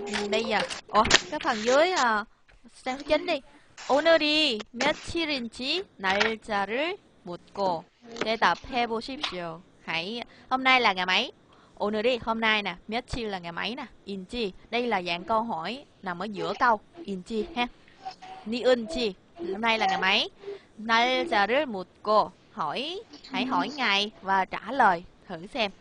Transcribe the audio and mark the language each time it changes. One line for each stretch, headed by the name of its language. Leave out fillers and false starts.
Vietnamese: Bây giờ cái phần dưới trang số 9 đi.
Korean: 오늘이 며칠인지 날짜를 묻고 대답해 보십시오.
Vietnamese: Hãy hôm nay là ngày mấy? 오늘이 hôm nay nè, 며칠 là ngày mấy nè. 인지 đây là dạng câu hỏi nằm ở giữa câu. 인지 ha. 니은지 hôm nay là ngày mấy?
Korean: 날짜를 묻고
Vietnamese: hỏi, hãy hỏi ngày và trả lời thử xem.